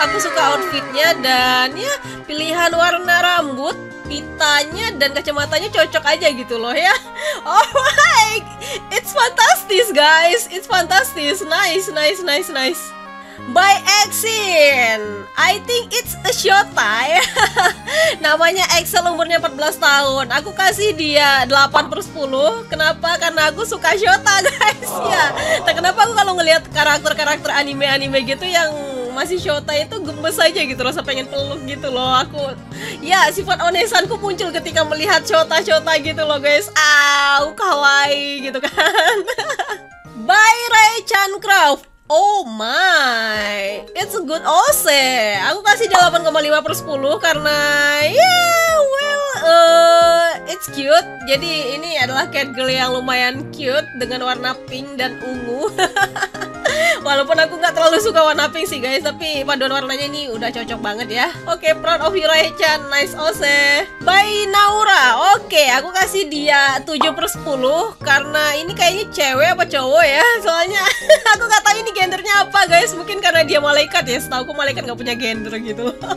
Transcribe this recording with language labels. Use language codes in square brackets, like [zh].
[id] Aku suka outfitnya dan ya pilihan warna rambut, pitanya dan kacamatanya cocok aja gitu loh ya. [en] Oh my, it's fantastic guys. It's fantastic. Nice, nice, nice, nice. By Exin, I think it's a Shota. [id] Namanya Excel, umurnya 14 tahun. Aku kasih dia 8/10. Kenapa? Karena aku suka Shota guys. Ya, nah, kenapa aku kalau ngelihat karakter-karakter anime-anime gitu yang masih Shota itu gemes aja gitu loh, pengen peluk gitu loh aku. Ya, sifat onesanku muncul ketika melihat Shota-Shota gitu loh guys. Aw, kawaii gitu kan. By Raychan Craft. [en] Oh my, it's a good OC. [id] Aku kasih 8.5/10 karena [en] yeah, well, it's cute. [id] Jadi ini adalah cat girl yang lumayan cute dengan warna pink dan ungu. Walaupun aku nggak terlalu suka warna pink sih guys, tapi paduan warnanya ini udah cocok banget ya. [en] Oke, okay, proud of you Raychan, nice OC. By Naura. [id] Oke, okay, aku kasih dia 7/10 karena ini kayaknya cewek apa cowok ya. Soalnya aku nggak tahu ini gendernya apa guys. Mungkin karena dia malaikat ya. Setahu aku malaikat nggak punya gender gitu.